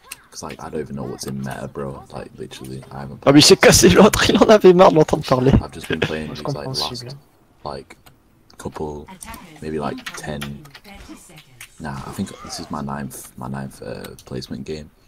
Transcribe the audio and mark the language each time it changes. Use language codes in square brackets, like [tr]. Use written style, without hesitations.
[en] Cause like I don't even know what's in meta, bro. Like literally, I haven't. [fr] Ah, mais c'est cassé l'autre. Il en avait marre d'entendre parler. [en] I've just been playing just like last, like couple, maybe like 10. Nah, I think this is my ninth placement game.